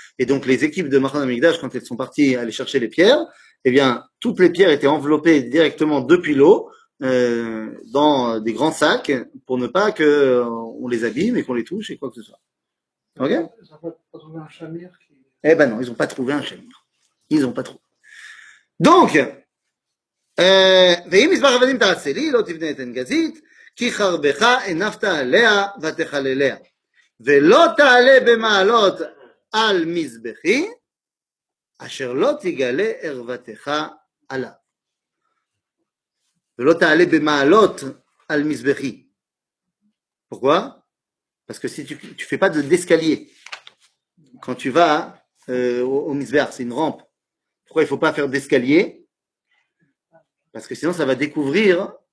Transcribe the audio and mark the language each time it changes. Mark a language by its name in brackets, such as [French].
[French] Et donc, les équipes de Machon Amigdash, quand elles sont parties aller chercher les pierres, eh bien, toutes les pierres étaient enveloppées directement depuis l'eau dans des grands sacs pour ne pas qu'on les abîme et qu'on les touche et quoi que ce soit. Ça, okay, ça peut pas trouver un chamir qui... Eh ben non, ils n'ont pas trouvé un chamir. Ils n'ont pas trouvé. Donc... [Hebrew] ואם מזבח אבנים תעשה לי, לא תבנה את עין גזית, כי חרבך הנפת עליה ותחלליה. ולא תעלה במעלות על מזבחי, אשר לא תגלה ערוותך עליו. ולא תעלה במעלות על מזבחי. [French] Pourquoi? Parce que si tu fais pas d'escalier quand tu vas au מזבח, c'est une rampe. Pourquoi il faut pas faire d'escalier? Parce que sinon, ça va découvrir.